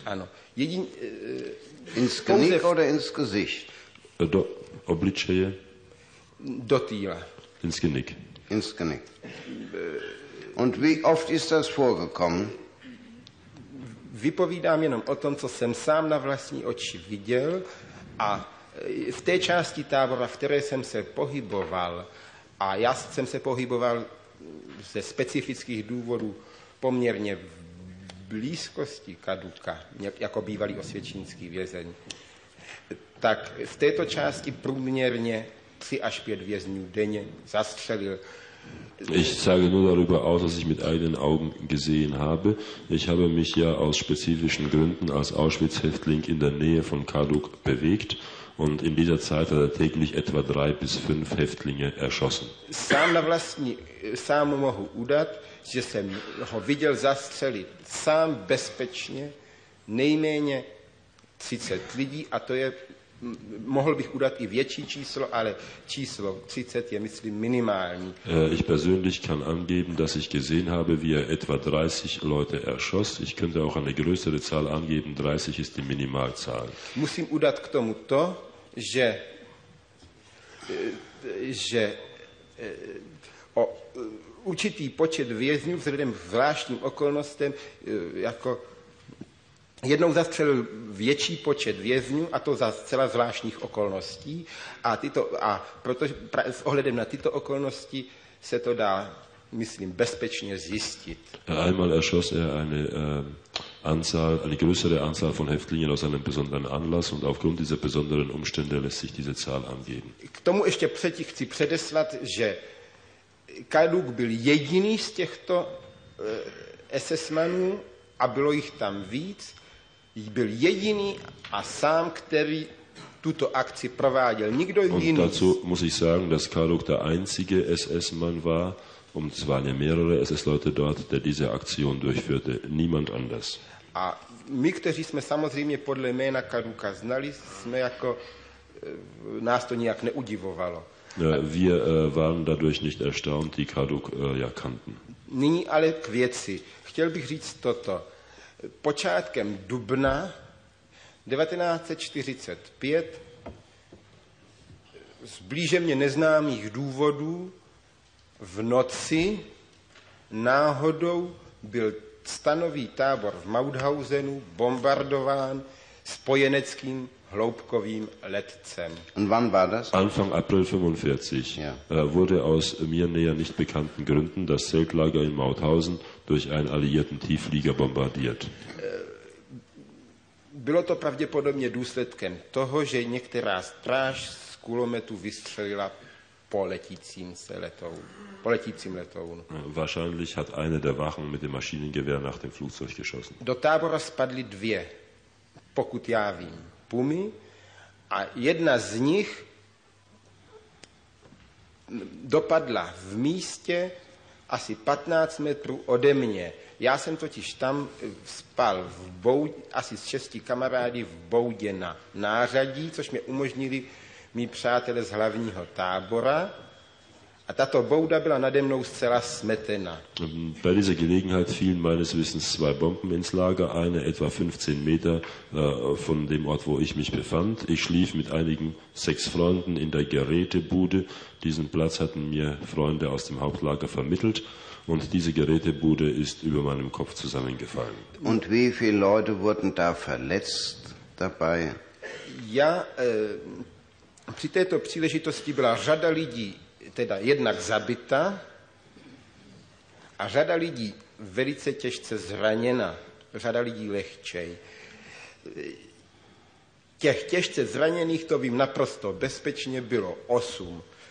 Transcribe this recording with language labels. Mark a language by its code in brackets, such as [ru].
[cs] Ano. [de] Ins Genick oder ins Gesicht? [cs] Obličeje? Do týla. [de] Ins Genick. Ins Genick. Und wie oft ist das vorgekommen? [cs] Vypovídám jenom o tom, co jsem sám na vlastní oči viděl, a v té části tábora, v které jsem se pohyboval, a já jsem se pohyboval ze specifických důvodů poměrně v blízkosti Kaduka, jako bývalý osvědčínský vězeň, tak v této části průměrně 3 až 5 vězňů denně zastřelil. [de] Ich sage nur darüber aus, was ich mit eigenen Augen gesehen habe. Ich habe mich ja aus spezifischen Gründen als Auschwitz-Häftling in der Nähe von Kaduk bewegt und in dieser Zeit hat er täglich etwa 3 bis 5 Häftlinge erschossen. [cs] Sám na vlastní, sám mohu udat, že jsem ho viděl zastřelit sám bezpečně nejméně 30 lidí, a to je, mohl bych udat i větší číslo, ale číslo 30 je, myslím, minimální. [de] Ich persönlich kann angeben, dass ich gesehen habe, wie er etwa 30 Leute erschoss. Ich könnte auch eine größere Zahl angeben, 30 ist die Minimalzahl. [cs] Musím udat k tomu to, že určitý počet vězňů vzhledem k zvláštním okolnostem, jako jednou zastřelil větší počet vězňů, a to za zcela zvláštních okolností, a protože s ohledem na tyto okolnosti se to dá, myslím, bezpečně zjistit. [de] Einmal erschoss er eine größere Anzahl von Häftlingen aus einem besonderen Anlass und aufgrund dieser besonderen Umstände lässt sich diese Zahl angeben. [cs] K tomu ještě předtím chci předeslat, že Kaduk byl jediný z těchto SS-manů, a bylo jich tam víc, byl jediný a sám, který tuto akci prováděl. Nikdo jiný. [de] Und dazu muss ich sagen, dass Kaduk der einzige SS-Mann war, und es waren ja mehrere SS-Leute dort, der diese Aktion durchführte. Niemand anders. [cs] A my, kteří jsme samozřejmě podle jména Kaduka znali, jsme jako, nás to nijak neudivovalo. [de] Wir waren dadurch nicht erstaunt, die Kaduk ja kannten. [cs] Nyní ale k věci. Chtěl bych říct toto. Počátkem dubna 1945 z blíže mě neznámých důvodů v noci náhodou byl stanový tábor v Mauthausenu bombardován spojeneckým hloubkovým letcem. [de] Und wann war das? Anfang April 45. Ja. Wurde aus mir näher nicht bekannten Gründen das Zeltlager in Mauthausen durch einen alliierten Tiefflieger bombardiert. [cs] Bylo to pravděpodobně důsledkem toho, že některá stráž z kulometu vystřelila po letícím letounu. [de] Wahrscheinlich hat eine der Wachen mit dem Maschinengewehr nach dem Flugzeug geschossen. [cs] Do tábora spadly 2, pokud já vím, pumy, a jedna z nich dopadla v místě asi 15 metrů ode mě. Já jsem totiž tam spal v boudě, asi s 6 kamarády v boudě na nářadí, což mě umožnili mý přátelé z hlavního tábora, A tato bouda byla nade mnou zcela smetena. [de] Bei dieser Gelegenheit fielen meines Wissens zwei Bomben ins Lager, eine etwa 15 Meter von dem Ort, wo ich mich befand. Ich schlief mit einigen sechs Freunden in der Gerätebude. Diesen Platz hatten mir Freunde aus dem Hauptlager vermittelt. Und diese Gerätebude ist über meinem Kopf zusammengefallen. Und wie viele Leute wurden da verletzt dabei? [cs] Ja, při této příležitosti byla řada lidí, teda jednak zabita a řada lidí velice těžce zraněna, řada lidí lehčej. Těch těžce zraněných, to vím naprosto bezpečně, bylo 8.